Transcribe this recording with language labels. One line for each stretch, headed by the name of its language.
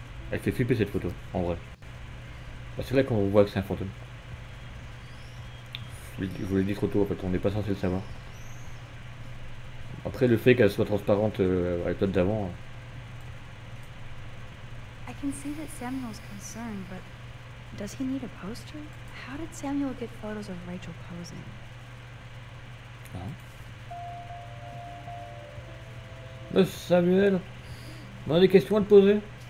French: Elle fait flipper cette photo, en vrai. Bah, c'est là qu'on voit que c'est un fantôme. Je vous l'ai dit trop tôt, en fait, on n'est pas censé le savoir. Après, le fait qu'elle soit transparente avec l'autre d'avant.
English: I can see that Samuel's concerned, but does he need a poster? How did Samuel get photos of Rachel posing? Ah.
French: Samuel, on a des questions à te poser.